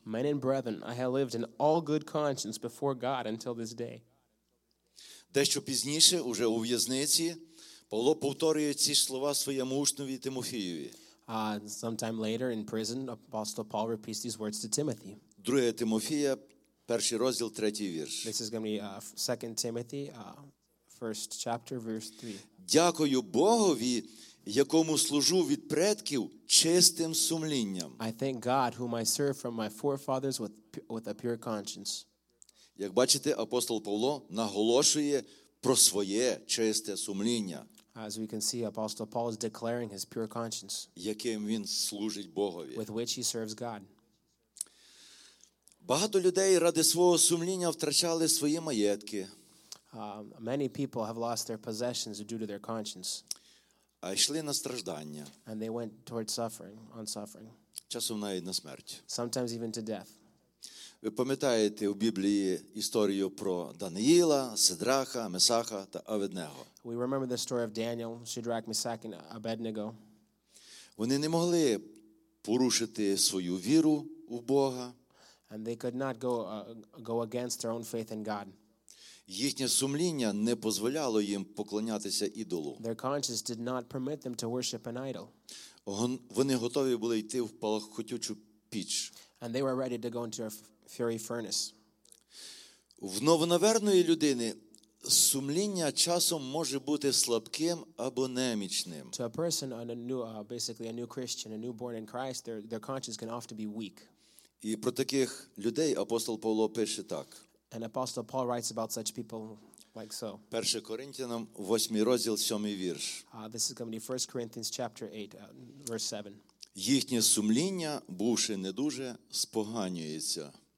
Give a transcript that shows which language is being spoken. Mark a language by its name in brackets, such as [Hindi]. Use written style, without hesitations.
[English] Men and brethren, I have lived in all good conscience before God until this day. [Ukrainian] Дещо пізніше, уже у в'язниці, Павло повторює ці слова своєму учневі Тимофієві. [English] Sometime later in prison, Apostle Paul repeats these words to Timothy. [Ukrainian] 2 Тимофія, перший розділ, третій вірш. [English] This is going to be 2 Timothy, first chapter, verse 3. [Ukrainian] Дякую Богові, якому служу від предків чистим сумлінням. [English] I thank God, whom I serve from my forefathers with a pure conscience. [Ukrainian] Як бачите, апостол Павло наголошує про своє чисте сумління. [English] As we can see, Apostle Paul is declaring his pure conscience. [Ukrainian] Яким він служить Богові. [English] With which he serves God. [Ukrainian] Багато людей ради свого сумління втрачали свої маєтки. [English] Many people have lost their possessions due to their conscience. [Ukrainian] А йшли на страждання. [English] And they went towards suffering, on suffering. [Ukrainian] Часом навіть на смерть. [English] Sometimes even to death. [Ukrainian] Ви пам'ятаєте у Біблії історію про Даниїла, Сидраха, Месаха та Аведнего. [English] We remember the story of Daniel, Shadrach, Meshach, and Abednego. [Ukrainian] Вони не могли порушити свою віру у Бога. [English] And they could not go against their own faith in God. [Ukrainian] Їхнє сумління не дозволяло їм поклонятися ідолу. [English] Their conscience did not permit them to worship an idol. [Ukrainian] Вони готові були йти в палахкотючу піч. [English] And they were ready to go into a fiery furnace. [Ukrainian] В новонаверної людини сумління часом може бути слабким або немічним. [English] To a person, a new Christian, a newborn in Christ, their conscience can often be weak. [Ukrainian] І про таких людей апостол Павло пише так. [English] And Apostle Paul writes about such people like so. [Ukrainian] 1 Коринтянам, 8 розділ, 7 вірш. [English] This is going to be 1 Corinthians chapter 8, verse 7. [Ukrainian] Їхнє сумління, бувши не дуже, споганюється.